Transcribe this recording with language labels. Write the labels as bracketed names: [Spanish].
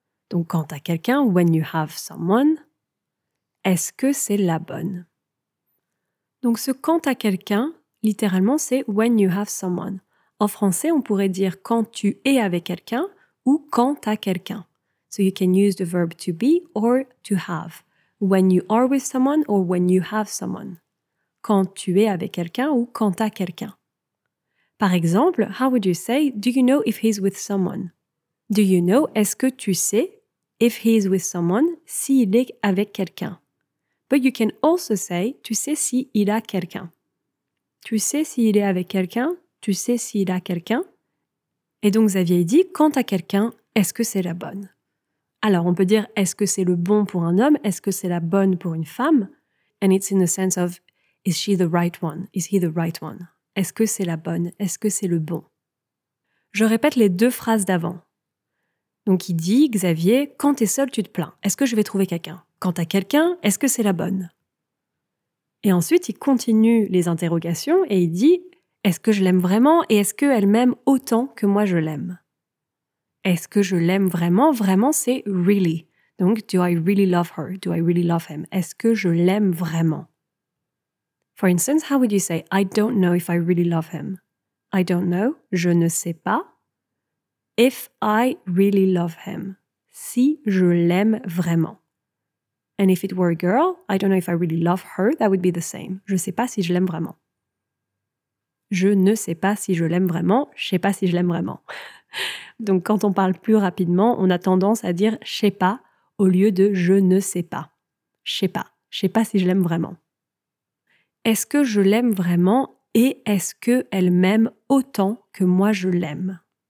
[French] Donc quand t'as quelqu'un, [English] when you have someone, [French] est-ce que c'est la bonne? Donc ce quand t'as quelqu'un, littéralement, c'est [English] when you have someone. [French] En français, on pourrait dire quand tu es avec quelqu'un ou quand t'as quelqu'un. [English] So you can use the verb to be or to have. When you are with someone or when you have someone. [French] Quand tu es avec quelqu'un ou quand t'as quelqu'un. Par exemple, [English] how would you say, do you know if he's with someone? Do you know, [French] est-ce que tu sais, [English] if he's with someone, [French] s'il est avec quelqu'un? [English] But you can also say, [French] tu sais s'il a quelqu'un. Tu sais s'il est avec quelqu'un, tu sais s'il a quelqu'un. Et donc Xavier dit, quand t'as quelqu'un, est-ce que c'est la bonne? Alors on peut dire, est-ce que c'est le bon pour un homme? Est-ce que c'est la bonne pour une femme? [English] And it's in the sense of, is she the right one? Is he the right one? [French] Est-ce que c'est la bonne? Est-ce que c'est le bon? Je répète les deux phrases d'avant. Donc il dit, Xavier, quand t'es seul, tu te plains. Est-ce que je vais trouver quelqu'un? Quand t'as quelqu'un, est-ce que c'est la bonne? Et ensuite, il continue les interrogations et il dit, est-ce que je l'aime vraiment et est-ce qu'elle m'aime autant que moi je l'aime? Est-ce que je l'aime vraiment? Vraiment, c'est [English] really. Donc, do I really love her? Do I really love him? [French] Est-ce que je l'aime vraiment? [English] For instance, how would you say, I don't know if I really love him? I don't know, [French] je ne sais pas. [English] If I really love him, [French] si je l'aime vraiment. [English] And if it were a girl, I don't know if I really love her, that would be the same. [French] Je ne sais pas si je l'aime vraiment. Je ne sais pas si je l'aime vraiment, je ne sais pas si je l'aime vraiment. Donc quand on parle plus rapidement, on a tendance à dire « je ne sais pas » au lieu de « je ne sais pas ». Je ne sais pas, je ne sais pas si je l'aime vraiment. Est-ce que je l'aime vraiment et est-ce qu'elle m'aime autant que moi je l'aime?